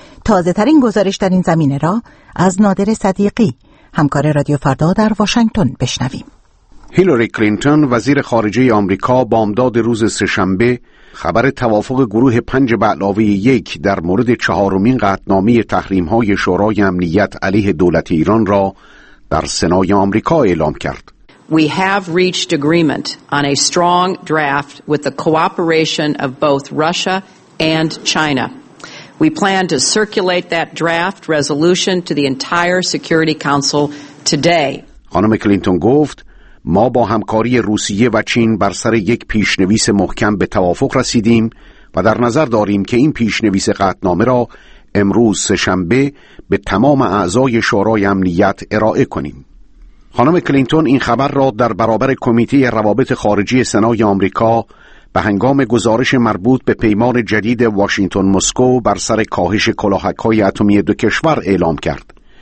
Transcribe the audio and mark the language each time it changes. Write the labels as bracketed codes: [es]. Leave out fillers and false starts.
[fa] تازه ترین گزارش در این زمینه را از نادر صدیقی همکار رادیو فردا در واشنگتن بشنویم. هیلاری کلینتون وزیر خارجه آمریکا بامداد روز سه‌شنبه خبر توافق گروه 5 به علاوه 1 در مورد چهارمین قطعنامه تحریم‌های شورای امنیت علیه دولت ایران را در سنای آمریکا اعلام کرد. [en] We have reached agreement on a strong draft with the cooperation of both Russia and China. We plan to circulate that draft resolution to the entire Security Council today. [fa] خانم کلینتون گفت ما با همکاری روسیه و چین بر سر یک پیشنویس محکم به توافق رسیدیم و در نظر داریم که این پیشنویس قطعنامه را امروز سه‌شنبه به تمام اعضای شورای امنیت ارائه کنیم. خانم کلینتون این خبر را در برابر کمیته روابط خارجی سنای آمریکا به هنگام گزارش مربوط به پیمان جدید واشنگتن مسکو بر سر کاهش کلاهک‌های اتمی دو کشور اعلام کرد.